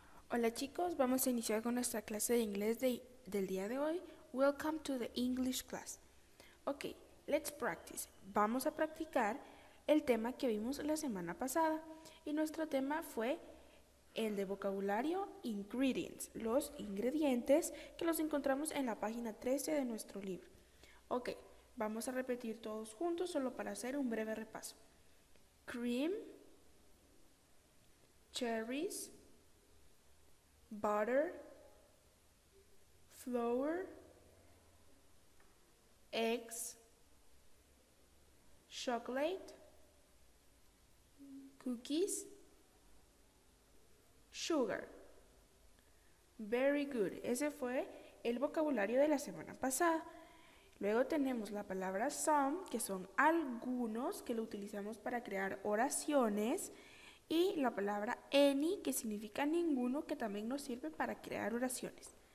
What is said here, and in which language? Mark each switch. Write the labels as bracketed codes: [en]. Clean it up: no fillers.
[es] Hola chicos, vamos a iniciar con nuestra clase de inglés del día de hoy. [en] Welcome to the English class. Ok, let's practice. [es] Vamos a practicar el tema que vimos la semana pasada. Y nuestro tema fue el de vocabulario ingredients, los ingredientes que los encontramos en la página 13 de nuestro libro. Ok, vamos a repetir todos juntos solo para hacer un breve repaso. [en] Cream, cherries, butter, flour, eggs, chocolate, cookies, sugar. Very good. [es] Ese fue el vocabulario de la semana pasada. Luego tenemos la palabra some, que son algunos que lo utilizamos para crear oraciones. Y la palabra any, que significa ninguno, que también nos sirve para crear oraciones.